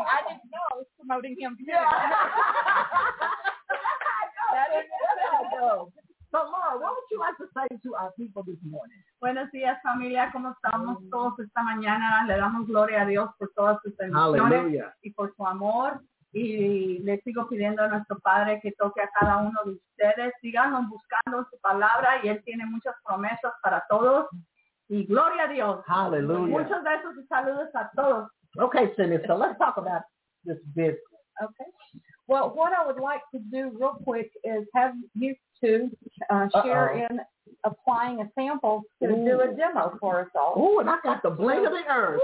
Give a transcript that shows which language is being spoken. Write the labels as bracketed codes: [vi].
[en] I didn't know I was promoting him. Too. Yeah. That is good. I go. So, Laura, what would you like to say to our people this morning? [es] Buenos días, familia. ¿Cómo estamos todos esta mañana? Le damos gloria a Dios por todas sus bendiciones y por su amor. Y le sigo pidiendo a nuestro Padre que toque a cada uno de ustedes. Síganos buscando su palabra y Él tiene muchas promesas para todos. Y gloria a Dios. Aleluya. Muchos besos y saludos a todos. [en] Okay, Sinistra, let's talk about this business. Okay. Well, what I would like to do real quick is have you two share in applying a sample to do a demo for us all. Ooh, and I got the bling of the earth.